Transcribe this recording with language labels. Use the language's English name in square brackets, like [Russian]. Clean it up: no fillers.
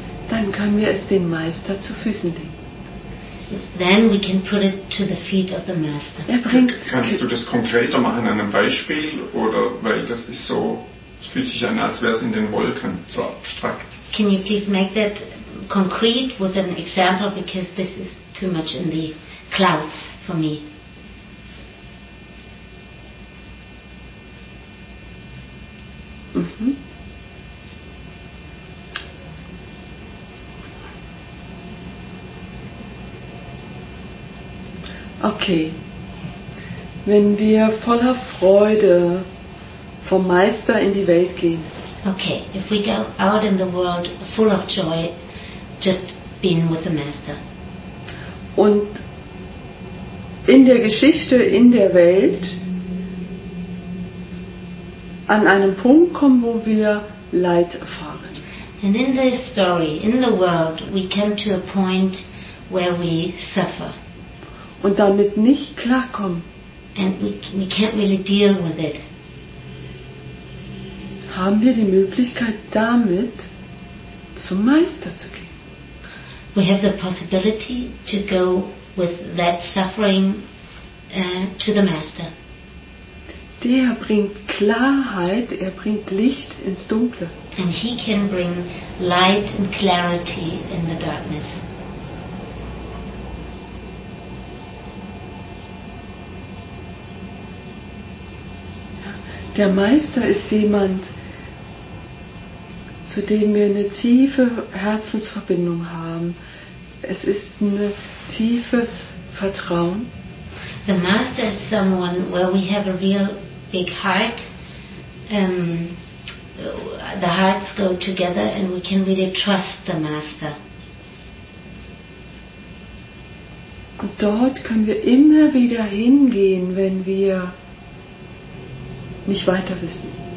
[German] dann können wir es dem Meister zu Füßen legen. [English] Then we can put it to the feet of the master. [German] Kannst du das konkreter machen, an einem Beispiel, oder weil das ist so, es fühlt sich an, als wäre es in den Wolken, so abstrakt. [English] Can you please make that concrete with an example, because this is too much in the clouds for me. [German] Okay, wenn wir voller Freude vom Meister in die Welt gehen. [English] Okay, if we go out in the world full of joy, just being with the Master. [German] Und in der Geschichte, in der Welt, an einem Punkt kommen, wo wir Leid erfahren. [English] And in the story, in the world, we come to a point where we suffer. [German] Und damit nicht klarkommen. [English] And we can't really deal with it. [German] Haben wir die Möglichkeit, damit zum Meister zu gehen? [English] We have the possibility to go with that suffering to the Master. [German] Der bringt Klarheit, er bringt Licht ins Dunkle. [English] And he can bring light and clarity in the darkness. [German] Der Meister ist jemand, zu dem wir eine tiefe Herzensverbindung haben. Es ist ein tiefes Vertrauen. [English] The Master is someone where we have a real big heart. The hearts go together and we can really trust the Master. [German] Und dort können wir immer wieder hingehen, wenn wir nicht weiter wissen.